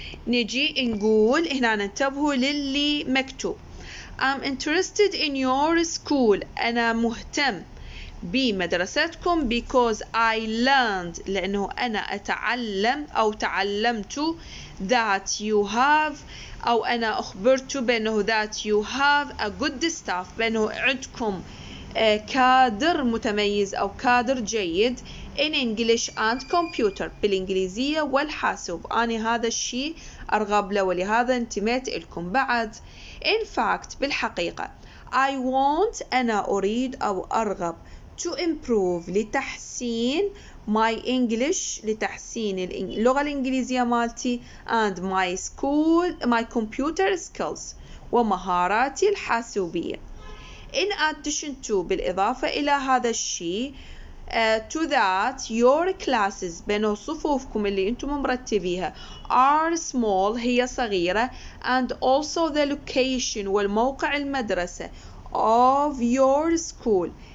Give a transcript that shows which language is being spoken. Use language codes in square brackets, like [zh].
[ar] نجي نقول هنا ننتبه للي مكتوب، [en] I'm interested in your school، [ar] أنا مهتم بمدرستكم، [en] because I learned، [ar] لأنه أنا أتعلم أو تعلمت [en] that you have، [ar] أو أنا أخبرت بأنه [en] that you have a good staff، [ar] بأنه عندكم كادر متميز أو كادر جيد [en] in English and computer، [ar] بالإنجليزية والحاسوب. أنا هذا الشيء أرغب له ولهذا انتميت لكم. بعد [en] in fact، [ar] بالحقيقة [en] I want، [ar] أنا أريد أو أرغب [en] to improve، [ar] لتحسين [en] my English، [ar] لتحسين اللغة الإنجليزية مالتي، [en] and my school، my computer skills، [ar] ومهاراتي الحاسوبية. [en] In addition to، [ar] بالإضافة إلى هذا الشيء، [en] to that your classes، [ar] بين صفوفكم اللي أنتم مرتبيها [en] are small، [ar] هي صغيرة، [en] and also the location، [ar] والموقع المدرسة [en] of your school،